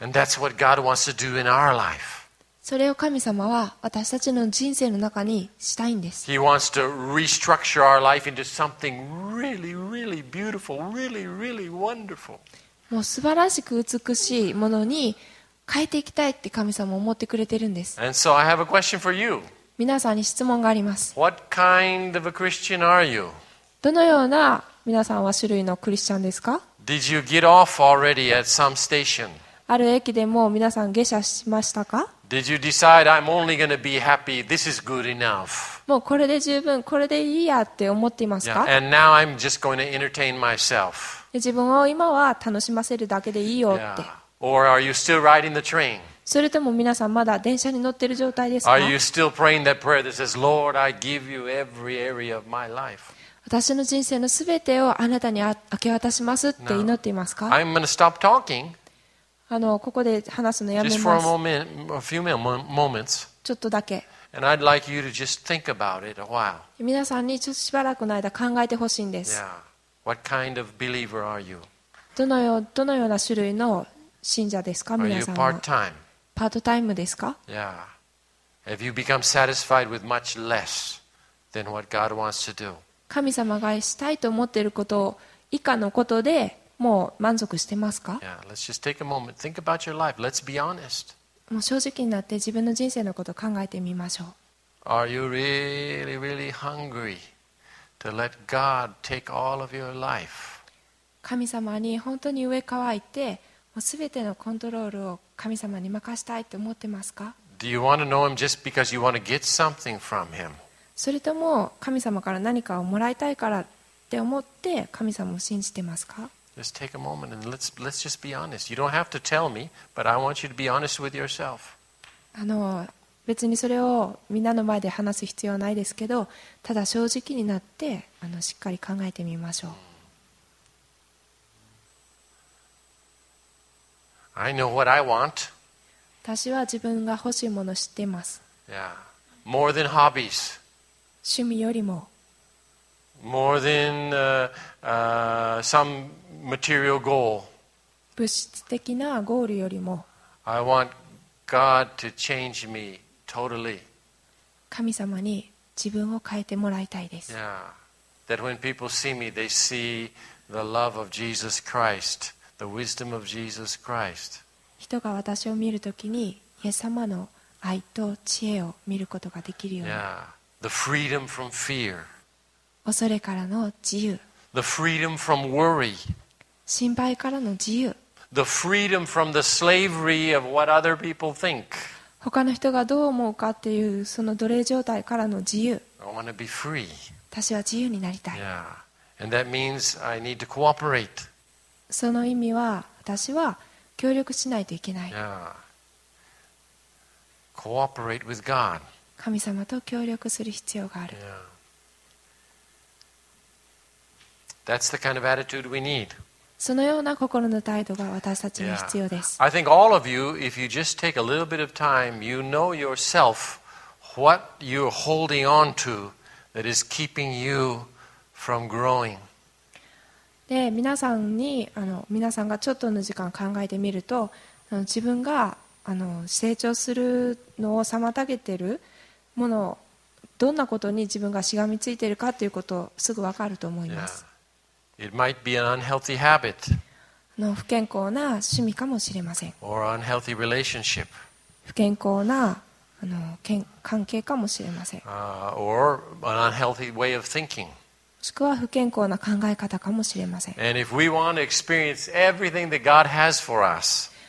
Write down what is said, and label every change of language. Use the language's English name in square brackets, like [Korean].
[English] And that's what God wants to do in our life. [Japanese] それを神様は私たちの人生の中にしたいんです。 [English] He wants to restructure our life into something really, really beautiful, really, really wonderful. [Japanese] もう素晴らしく美しいものに変えていきたいって神様は思ってくれてるんです。 [English] And so I have a question for you. [Japanese] 皆さんに質問があります。 [English] What kind of a Christian are you? [Japanese] どのような皆さんは種類のクリスチャンですか? [English] Did you get off already at some station? [Japanese] ある駅でも皆さん下車しましたか? [English] Did you decide I'm only going to be happy? This is good enough. [Japanese] もうこれで十分、これでいいやって思っていますか? [English] Yeah, and now I'm just going to entertain myself. [Japanese] 自分を今は楽しませるだけでいいよって。 [English] Yeah. Or are you still riding the train? [Japanese] それとも皆さんまだ電車に乗ってる状態ですか? [English] Are you still praying that prayer that says, Lord, I give you every area of my life? [Japanese] 私の人生のすべてをあなたに明け渡しますって祈っていますか? [English] No, I'm gonna stop talking. [Japanese] ここで話すのやめます。 [English] Just for a moment, a few moments. [Japanese] ちょっとだけ。 [English] And I'd like you to just think about it a while. [Japanese] 皆さんにちょっとしばらくの間考えてほしいんです。 [English] Yeah. What kind of believer are you? [Japanese] どのような種類の信者ですか、皆さんは。 [English] Are you part-time? [Japanese] パートタイムですか? [English] Yeah. Have you become satisfied with much less than what God wants to do? [Japanese] 神様がしたいと思っていること以下のことでもう満足してますか? [English] Yeah, let's just take a moment. Think about your life. Let's be honest. [Japanese] もう正直になって自分の人生のことを考えてみましょう。 [English] Are you really, really hungry to let God take all of your life? [Japanese] 神様に本当に飢え渇いて、もうすべてのコントロールを神様に任したいと思ってますか? [English] Do you want to know Him just because you want to get something from Him? [Japanese] それとも神様から何かをもらいたいからって思って神様を信じてますか? [English] Just take a moment and let's just be honest. You don't have to tell me, but I want you to be honest with yourself. [Japanese] 別にそれをみんなの前で話す必要はないですけど、ただ正直になってしっかり考えてみましょう。 [English] I know what I want. [Japanese] 私は自分が欲しいものを知っています。 [English] Yeah. More than hobbies. [Japanese] 趣味よりも。 [English] More than some material goal. [Japanese] 物質的なゴールよりも。 [English] I want God to change me totally. [Japanese] 神様に自分を変えてもらいたいです。 [English] Yeah. That when people see me, they see the love of Jesus Christ, the wisdom of Jesus Christ. [Japanese] 人が私を見るときに、イエス様の愛と知恵を見ることができるように。 [English] Yeah. The freedom from fear. [Japanese] 恐れからの自由。 [English] The freedom from worry. [Japanese] 心配からの自由。 [English] The freedom from the slavery of what other people think. [Japanese] 他の人がどう思うかっていうその奴隷状態からの自由。 [English] I want to be free. [Japanese] 私は自由になりたい。 [English] Yeah. And that means I need to cooperate. [Japanese] その意味は私は協力しないといけない。 [English] Yeah. Cooperate with God. [Japanese] 神様と協力する必要がある。 [English] That's the kind of attitude we need. [Japanese] そのような心の態度が私たちに必要です。 [English] I think all of you, if you just take a little bit of time, you know yourself what you're holding on to that is keeping you from growing. [Japanese] で、皆さんに、皆さんがちょっとの時間考えてみると、自分が成長するのを妨げているものをどんなことに自分がしがみついているかということをすぐ分かると思います、 [English] yeah. It might be an unhealthy habit. [Japanese] 不健康な趣味かもしれません [English] Or unhealthy relationship. [Japanese] 不健康な関係かもしれません、 [English] Or an unhealthy way of thinking. [Japanese] もしくは不健康な考え方かもしれません [English] And if we want to experience everything that God has for us